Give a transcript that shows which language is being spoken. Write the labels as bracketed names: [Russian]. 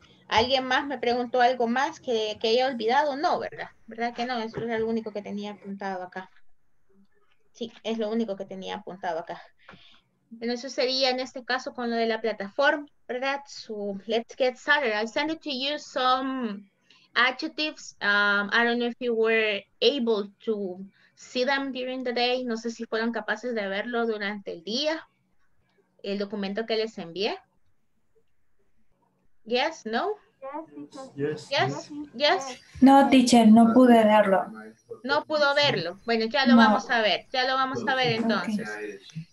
[Spanish] ¿Alguien más me preguntó algo más que haya olvidado? No, ¿verdad? ¿Verdad que no? Eso es lo único que tenía apuntado acá. Sí, es lo único que tenía apuntado acá. Bueno, eso sería en este caso con lo de la plataforma, ¿verdad? [English] So, let's get started. I'll send it to you some adjectives. I don't know if you were able to see them during the day. [Spanish] No sé si fueron capaces de verlo durante el día, el documento que les envié. [English] Yes, no? Yes, yes, yes. [Spanish] No, teacher, no pude verlo. No pudo verlo. Bueno, ya lo no. Vamos a ver. Ya lo vamos a ver entonces. Okay.